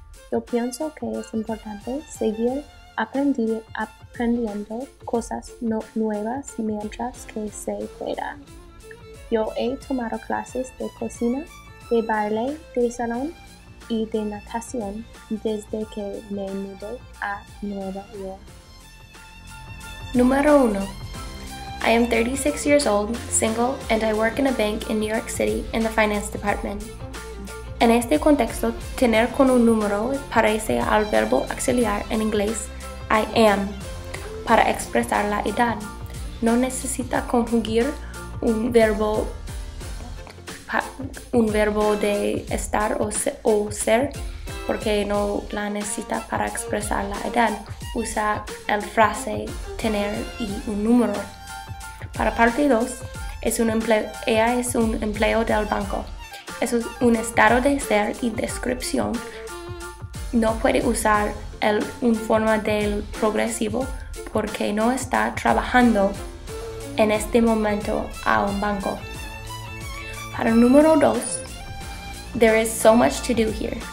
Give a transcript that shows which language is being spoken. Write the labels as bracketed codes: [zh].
[es] Yo pienso que es importante seguir aprendiendo cosas nuevas mientras que se pueda. Yo he tomado clases de cocina, de baile, de salón y de natación desde que me mudé a Nueva York. Número 1. [en] I am 36 years old, single, and I work in a bank in New York City in the finance department. [es] En este contexto, tener con un número parece al verbo auxiliar en inglés [en] I am, [es] para expresar la edad. No necesita conjugar un verbo de estar o ser, porque no la necesita para expresar la edad. Usa el frase tener y un número. Para parte 2, ella es un empleo del banco. Es un estado de ser y descripción. No puede usar un forma del progresivo porque no está trabajando en este momento a un banco. Para número 2, [en] there is so much to do here.